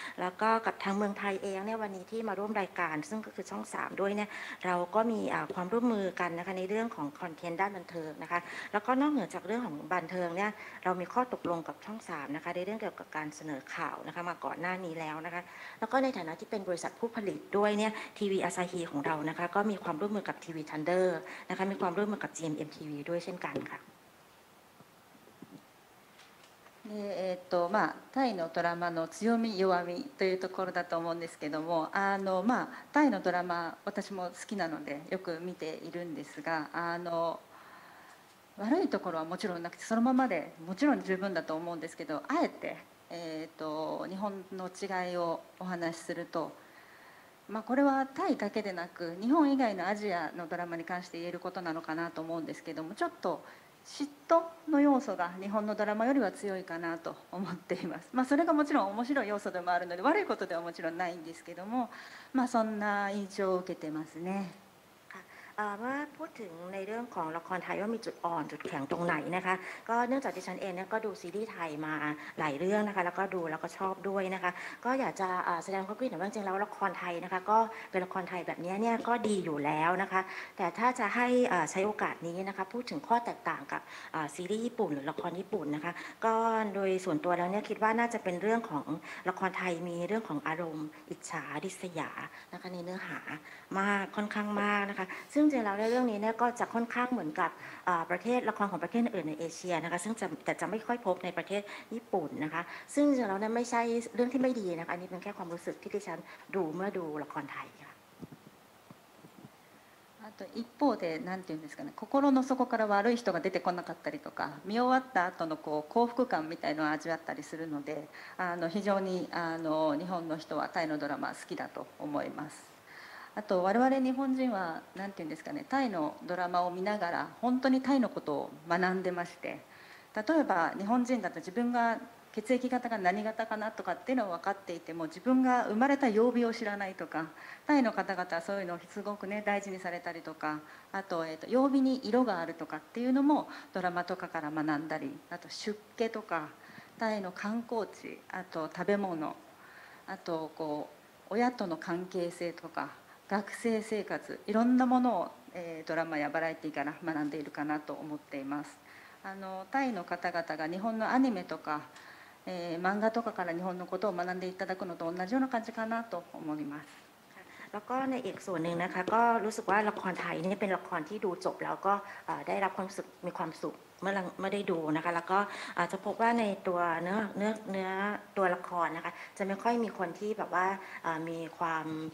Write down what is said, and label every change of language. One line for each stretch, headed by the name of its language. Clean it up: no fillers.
Thai: แล้วก็กับทางเมืองไทยเองเนี่ยวันนี้ที่มาร่วมรายการซึ่งก็คือช่อง3ด้วยเนี่ยเราก็มีความร่วมมือกันนะคะในเรื่องของคอนเทนต์ด้านบันเทิงนะคะแล้วก็นอกเหนือจากเรื่องของบันเทิงเนี่ยเรามีข้อตกลงกับช่อง3นะคะในเรื่องเกี่ยวกับการเสนอข่าวนะคะมาก่อนหน้านี้แล้วนะคะแล้วก็ในฐานะที่เป็นบริษัทผู้ผลิตด้วยเนี่ยทีวีอาซาฮีของเรานะคะก็มีความร่วมมือกับทีวีทันเดอร์นะคะมีความร่วมมือกับ GMM TV ด้วยเช่นกันค่ะ
Japanese: まあ、タイのドラマの強み弱みというところだと思うんですけども、まあ、タイのドラマ私も好きなのでよく見ているんですが、悪いところはもちろんなくてそのままでもちろん十分だと思うんですけど、あえて、日本の違いをお話しすると、まあ、これはタイだけでなく日本以外のアジアのドラマに関して言えることなのかなと思うんですけども、ちょっと嫉妬の要素が日本のドラマよりは強いかなと思っています。まあ、それがもちろん面白い要素でもあるので悪いことではもちろんないんですけども、まあ、そんな印象を受けてますね。
Thai: ว่าพูดถึงในเรื่องของละครไทยว่ามีจุดอ่อนจุดแข็งตรงไหนนะคะก็เนื่องจากดิฉันเองเนี่ยก็ดูซีรีส์ไทยมาหลายเรื่องนะคะแล้วก็ดูแล้วก็ชอบด้วยนะคะก็อยากจะแสดงความคิดเห็นว่าจริงๆแล้วละครไทยนะคะก็เป็นละครไทยแบบนี้เนี่ยก็ดีอยู่แล้วนะคะแต่ถ้าจะให้ใช้โอกาสนี้นะคะพูดถึงข้อแตกต่างกับ ซีรีส์ญี่ปุ่นหรือละครญี่ปุ่นนะคะก็โดยส่วนตัวแล้วเนี่ยคิดว่าน่าจะเป็นเรื่องของละครไทยมีเรื่องของอารมณ์อิจฉาริษยานะคะในเนื้อหามากค่อนข้างมากนะคะซึ่ง จริงๆแล้วในเรื่องนี้เนี่ยก็จะค่อนข้างเหมือนกับประเทศละครของประเทศอื่นในเอเชียนะคะซึ่งจะไม่ค่อยพบในประเทศญี่ปุ่นนะคะซึ่งจริงๆแล้วเนี่ยไม่ใช่เรื่องที่ไม่ดีนะคะอันนี้เป็นแค่ความรู้สึกที่ดิฉันดูเมื่อดูละครไทย
Japanese: あと一方で何て言うんですかね、心の底から悪い人が出てこなかったりとか、見終わった後のこう幸福感みたいのを味わったりするので、非常に日本の人はタイのドラマ好きだと思います。あと我々日本人は何て言うんですかね、タイのドラマを見ながら本当にタイのことを学んでまして、例えば日本人だと自分が血液型が何型かなとかっていうのを分かっていても自分が生まれた曜日を知らないとかタイの方々はそういうのをすごくね大事にされたりとかあと曜日に色があるとかっていうのもドラマとかから学んだりあと出家とかタイの観光地あと食べ物あとこう親との関係性とか学生生活いろんなものをドラマやバラエティから学んでいるかなと思っていますタイの方々が日本のアニメとか漫画とかから日本のことを学んでいただくのと同じような感じかなと思います。
Thai: แล้วก็ในอีกส่วนหนึ่งนะคะก็รู้สึกว่าละครไทยนี่เป็นละครที่ดูจบแล้วก็ได้รับความรู้สึกมีความสุขเมื่อได้ดูนะคะแล้วก็จะพบว่าในตัวเนื้อตัวละครนะคะจะไม่ค่อยมีคนที่แบบว่ามีความ